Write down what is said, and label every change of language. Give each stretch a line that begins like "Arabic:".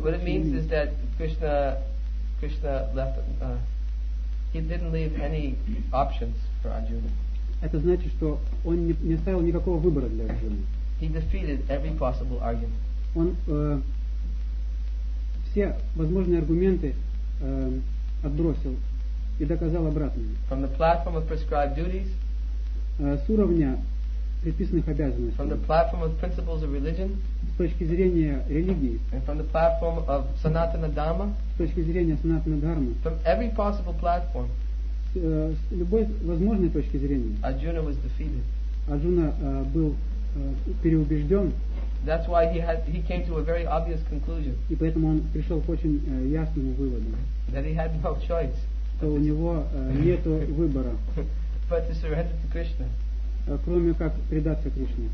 English: what it means is that Krishna left, he didn't leave any options for Arjuna.
Russian: Это значит, что он не оставил никакого выбора для Арджуны.
English: He defeated every possible argument.
Russian: Он все возможные аргументы отбросил и доказал обратное.
English: From the platform of prescribed duties,
Russian: с уровня предписанных обязанностей,
English: from the platform of principles of religion,
Russian: с точки зрения религии,
English: and from the platform of Sanatana Dharma,
Russian: с точки зрения Санатана Дхармы,
English: from every possible platform,
Russian: с любой возможной точки зрения,
English: Arjuna was defeated.
Russian: Арджуна был переубежден.
English: That's why he came to a very obvious conclusion.
Russian: И поэтому он пришел к очень ясному выводу.
English: That he had no choice.
Russian: Что у него нету выбора.
English: But to surrender to Krishna.
Russian: Кроме как предаться Кришне.